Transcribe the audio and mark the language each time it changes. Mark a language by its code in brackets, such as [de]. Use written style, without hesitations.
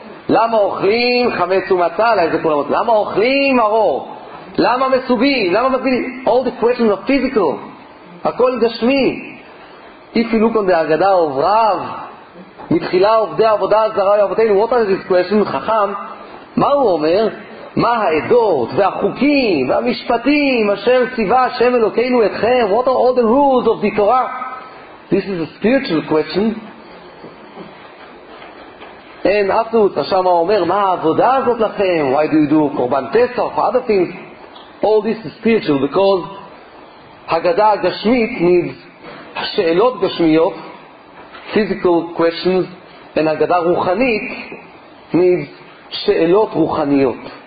[he] למה אוכלים חמץ ומצה? איזה כולם אומרים? למה אוכלים ארור? למה מסובים? למה מסובים? [en] All the questions are physical. [he] הכל גשמי. [en] If you look on the Haggadah of Rav, [he] מתחילה עובדי עבודה זרה יעבותינו, [en] what are these questions? [he] חכם, מה הוא אומר? מה העדות והחוקים והמשפטים אשר ציווה השם אלוקינו אתכם? [en] What are all the rules of the Torah? This is a spiritual question. And afterwards, [he] השם אומר, מה העבודה הזאת לכם? [en] Why do you do קורבן פסח? Other things. All this is spiritual because [he] הגדה הגשמית [en] needs [he] שאלות גשמיות, [en] physical questions, and [he] הגדה רוחנית [en] needs [he] שאלות רוחניות.